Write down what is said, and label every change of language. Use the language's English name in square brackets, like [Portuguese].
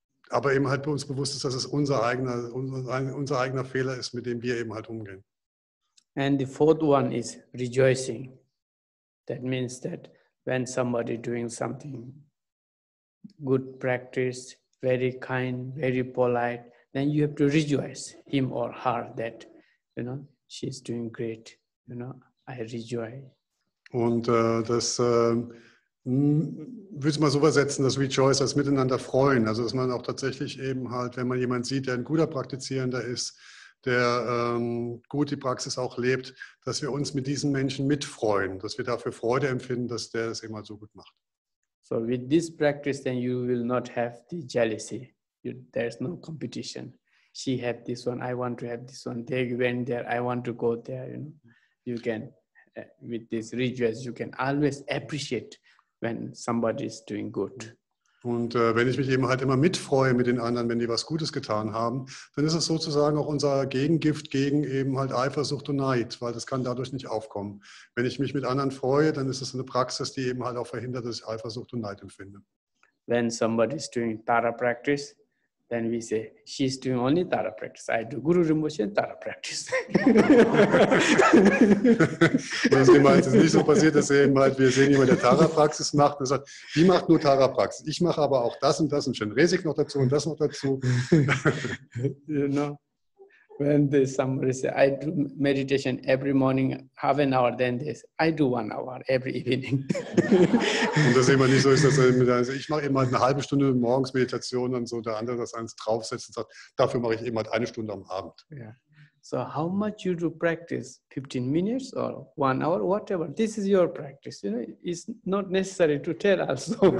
[German] Aber eben halt bei uns bewusst ist, dass es unser eigener Fehler ist, mit dem wir eben halt umgehen. [English] And the fourth one is rejoicing. That means that when somebody doing something good practice, very kind, very polite, then you have to rejoice him or her that, you know, she's doing great, you know, I rejoice. [German] Und das, würde ich mal so übersetzen, das Rejoice, das Miteinander freuen. Also dass man auch tatsächlich eben halt, wenn man jemanden sieht, der ein guter Praktizierender ist, der gut die Praxis auch lebt, dass wir uns mit diesen Menschen mitfreuen, dass wir dafür Freude empfinden, dass der es immer so gut macht. [English] So with this practice, then you will not have the jealousy. There's no competition. She had this one, I want to have this one. They went there, I want to go there. You know, you can, with this rejoice, you can always appreciate when somebody is doing good. [German] Und wenn ich mich eben halt immer mitfreue mit den anderen, wenn die was Gutes getan haben, dann ist es sozusagen auch unser Gegengift gegen eben halt Eifersucht und Neid, weil das kann dadurch nicht aufkommen. Wenn ich mich mit anderen freue, dann ist es eine Praxis, die eben halt auch verhindert, dass ich Eifersucht und Neid empfinde. [English] When somebody is doing Tara practice, then we say, she's doing only Tara practice. I do Guru Rinpoche Tara practice. [German] Wenn es jemals nicht so passiert, dass eben halt, wir sehen jemand, der Tara Praxis macht und sagt, die macht nur Tara Praxis. Ich mache aber auch das und das und schon Resig noch dazu und das noch dazu. [English] You know, when somebody says, I do meditation every morning, half an hour, then they say, I do 1 hour every evening. [German] Und das immer nicht so ist, dass also ich mache eben halt eine halbe Stunde morgens Meditation und so, der andere das eins draufsetzt und sagt, dafür mache ich eben halt eine Stunde am Abend. Yeah. [English] So how much you do practice, 15 minutes or 1 hour, whatever, this is your practice, you know, it's not necessary to tell also.